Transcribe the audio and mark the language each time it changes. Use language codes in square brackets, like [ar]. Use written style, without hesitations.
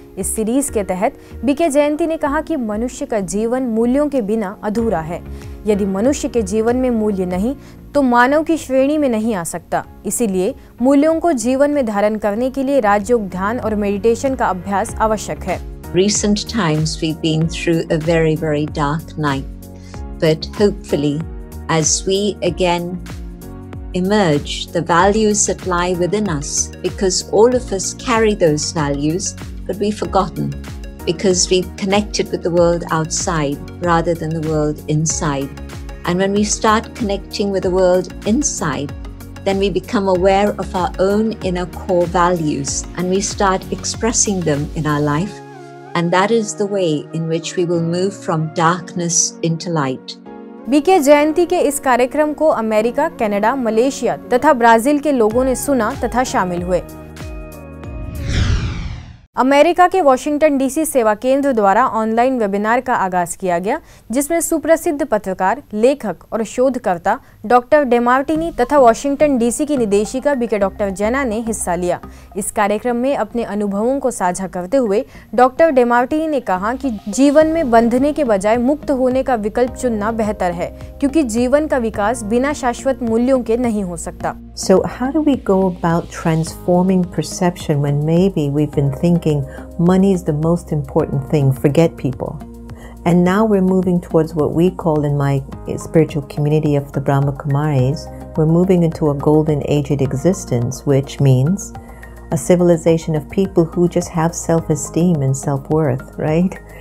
[hi] इस सीरीज के तहत बीके जयंती ने कहा कि मनुष्य का जीवन मूल्यों के बिना अधूरा है। यदि मनुष्य के जीवन में मूल्य नहीं तो मानव की श्रेणी में नहीं आ सकता। इसीलिए मूल्यों को जीवन में धारण करने के लिए राजयोग, ध्यान और मेडिटेशन का अभ्यास आवश्यक है। [en] Recent times we've been through a very, very dark night, but hopefully as we again emerge, the values that lie within us, because all of us carry those values, but we've forgotten because we've connected with the world outside rather than the world inside. And when we start connecting with the world inside, then we become aware of our own inner core values and we start expressing them in our life. And that is the way in which we will move from darkness into light. [hi] BK जयंती के इस कार्यक्रम को America, Canada, Malaysia तथा Brazil के लोगों ने सुना तथा शामिल हुए। अमेरिका के वॉशिंगटन डीसी सेवा केंद्र द्वारा ऑनलाइन वेबिनार का आगाज किया गया, जिसमें सुप्रसिद्ध पत्रकार, लेखक और शोधकर्ता डॉक्टर डेमार्टिनी तथा वॉशिंगटन डीसी की निदेशिका बीके डॉक्टर जैना ने हिस्सा लिया। इस कार्यक्रम में अपने अनुभवों को साझा करते हुए डॉक्टर डेमार्टिनी ने कहा कि जीवन में बंधने के बजाय मुक्त होने का विकल्प चुनना बेहतर है, क्योंकि जीवन का विकास बिना शाश्वत मूल्यों के नहीं हो सकता। [en] So how do we go about transforming perception when maybe we've been thinking money is the most important thing, forget people? And now we're moving towards what we call in my spiritual community of the Brahma Kumaris, we're moving into a golden aged existence, which means a civilization of people who just have self-esteem and self-worth, right?